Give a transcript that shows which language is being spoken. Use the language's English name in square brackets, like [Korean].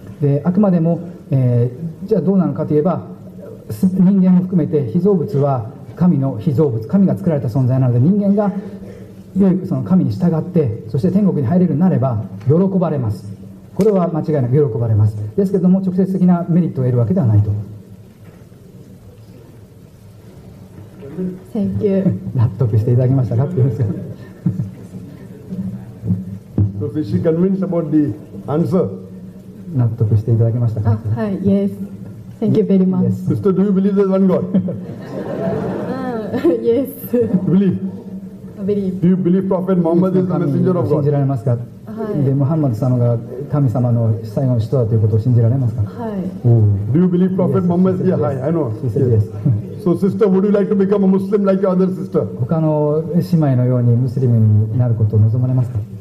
[Japanese] であくまでも、じゃあどうなのかといえば、人間も含めて被造物は神の被造物、神が作られた存在なので、人間がその神に従って、そして天国に入れるなれば喜ばれます。これは間違いなく喜ばれます。ですけども、直接的なメリットを得るわけではないと。 [English] Thank you. [Japanese] 納得していただけましたかって言うんですか。 [English] So is she convinced about the answer? [Japanese] 納得していただけましたか。はい、 [English] Yes. Thank you very much. Sister, do you believe there's one God? Yes. Believe? Do you believe Prophet Muhammad is the messenger of God? [Japanese] 信じられますか。はい。で、ムハンマド様が神様の最後の使徒だということを信じられますか。はい。 [English] Do you believe Prophet Muhammad? Yeah, hi, I know. Yes. So, sister, would you like to become a Muslim like your other sister? [Japanese] 他の姉妹のようにムスリムになることを望まれますか。